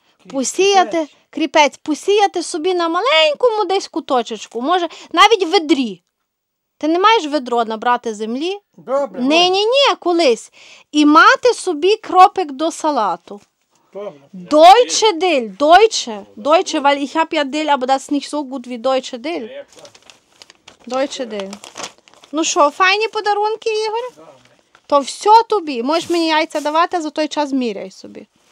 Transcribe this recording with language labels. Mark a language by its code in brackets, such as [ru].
[uk] Посіяти, кріпець, посіяти собі на маленькому десь куточечку. Може, навіть в ведрі. Ти не маєш ведро набрати землі? Добре. Ні, колись. І мати собі кропик до салату. Добре. [de] Deutsche Dill, Deutsche. Deutsche, weil ich habe ja Dill, aber das ist nicht so gut wie Deutsche Dill. Deutsche Dill. [uk] Ну що, файні подарунки, Ігор? Добре. То все тобі. Можеш мені яйця давати, за той час міряй собі.